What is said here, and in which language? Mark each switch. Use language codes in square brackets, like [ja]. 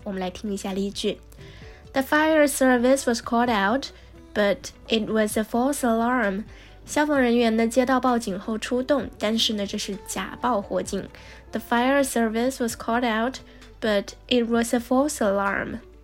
[zh] 我们来听一下例句 [en] ：The fire service was called out, but it was a false alarm. [zh] 消防人员呢接到报警后出动，但是呢这是假报火警。 [en] The fire service was called out, but it was a false alarm.